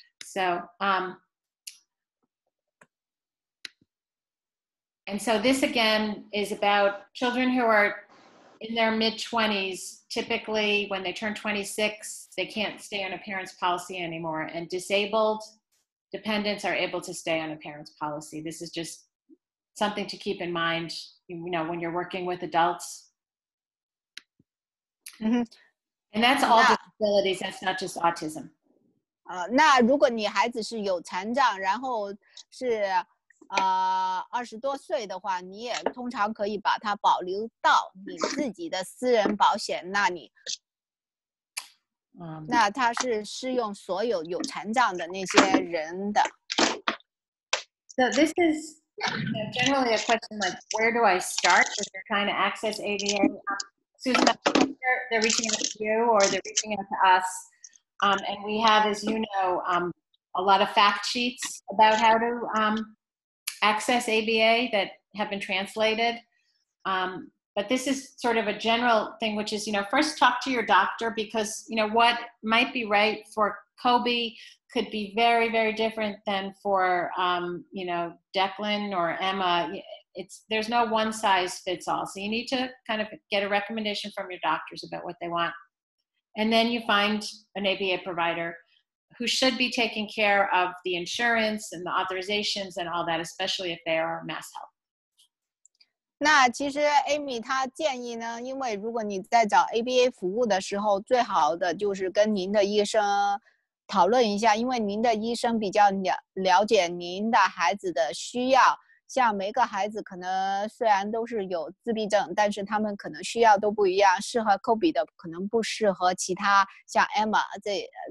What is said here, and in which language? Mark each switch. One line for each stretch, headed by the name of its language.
English: So, and so this again is about children who are in their mid-20s, typically when they turn 26, they can't stay on a parent's policy anymore, and disabled dependents are able to stay on a parent's policy. This is just something to keep in mind, you know, when you're working with adults. Mm-hmm. And that's all disabilities, that's not just autism.
Chinese: 那如果你孩子是有残障，然后是20多岁的话，你也通常可以把它保留到你自己的私人保险那里。那它是适用所有有残障的那些人的。
English: So this is generally a question like, where do I start if you're trying to access ABA? Susan, they're reaching out to you or they're reaching out to us. And we have, as you know, a lot of fact sheets about how to access ABA that have been translated. But this is sort of a general thing, which is, you know, first talk to your doctor, because, you know, what might be right for Kobe could be very, very different than for, you know, Declan or Emma. There's no one size fits all. So you need to kind of get a recommendation from your doctors about what they want. And then you find an ABA provider who should be taking care of the insurance and the authorizations and all that, especially if they are MassHealth.
Chinese: 那其实 Amy 她建议呢，因为如果你在找 ABA 服务的时候，最好的就是跟您的医生讨论一下，因为您的医生比较了解您的孩子的需要。像每个孩子可能虽然都是有自闭症，但是他们可能需要都不一样，适合 Kobe 的可能不适合其他像 Emma 这